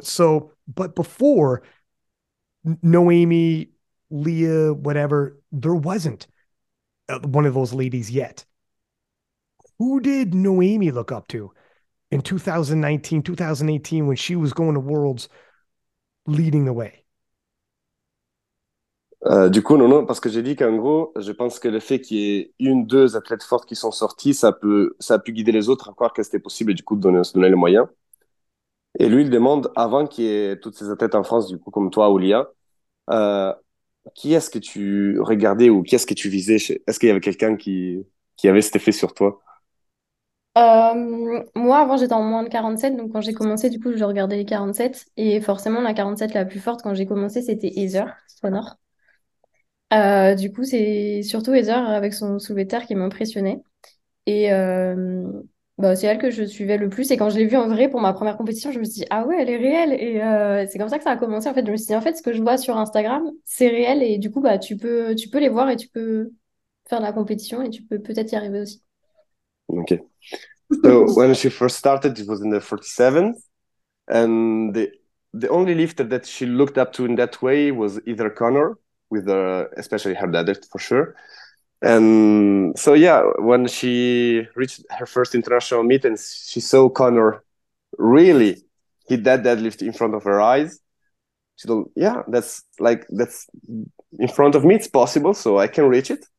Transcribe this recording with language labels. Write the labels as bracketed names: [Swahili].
[English] So, but before Noémie, Leah, whatever, there wasn't one of those ladies yet. Who did Noémie look up to in 2019, 2018, when she was going to Worlds leading the way? [French] Du coup, non, non, parce que j'ai dit qu'en gros, je pense que le fait qu'il y ait une, deux athlètes fortes qui sont sortis, ça a pu guider les autres à croire que c'était possible et du coup se donner les moyens. Et lui, il demande, avant qu'il y ait toutes ces athlètes en France, du coup, comme toi ou Lia, qui est-ce que tu regardais ou qui est-ce que tu visais chez... Est-ce qu'il y avait quelqu'un qui avait cet effet sur toi? Moi, avant, j'étais en moins de 47, donc quand j'ai commencé, du coup, je regardais les 47. Et forcément, la 47 la plus forte quand j'ai commencé, c'était Heather Swanor. Du coup, c'est surtout Heather avec son soulevé de terre qui m'impressionnait. Et bah, c'est elle que je suivais le plus. Et quand je l'ai vue en vrai pour ma première compétition, je me suis dit, ah ouais, elle est réelle. Et c'est comme ça que ça a commencé. En fait, je me suis dit, en fait, ce que je vois sur Instagram, c'est réel. Et du coup, bah, tu peux les voir et tu peux faire de la compétition et tu peux peut-être y arriver aussi. [English] Okay. So when she first started, it was in the 47th. And the only lifter that she looked up to in that way was either Connor, with her, especially her dad, for sure. And so yeah, when she reached her first international meet and she saw Connor really hit that deadlift in front of her eyes, she told, yeah, that's in front of me, it's possible, so I can reach it.